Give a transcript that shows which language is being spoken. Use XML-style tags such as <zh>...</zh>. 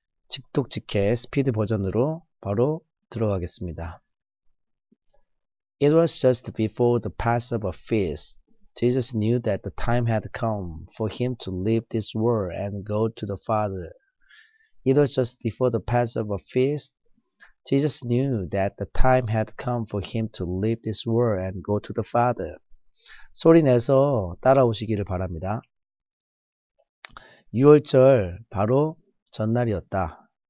<ko>직독 직해 스피드 버전으로 바로 들어가겠습니다.</ko> <en>It was just before the Passover feast. Jesus knew that the time had come for him to leave this world and go to the Father. It was just before the Passover feast. Jesus knew that the time had come for him to leave this world and go to the Father.</en> <ko>소리 내서 따라오시기를 바랍니다. 유월절 바로 전날이었다.</ko>